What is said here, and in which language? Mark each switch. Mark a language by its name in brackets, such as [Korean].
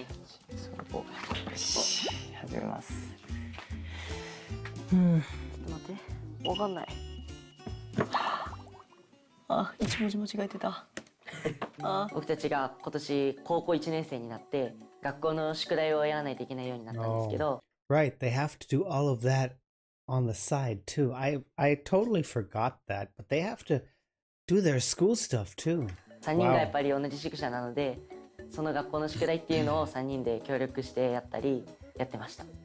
[Japanese] よし、始めます。ちょっと待って、わかんない。あ、一文字間違えてた。僕たちが今年高校1年生になって、学校の宿題をやらないといけないようになったんですけど。 [English] Oh. Right, they have to do all of that. On the side too. I totally forgot that, but they have to do their school stuff too. [Japanese] 3人がやっぱり同じ宿舎なので、その学校の宿題っていうのを3人で協力してやったりやってました。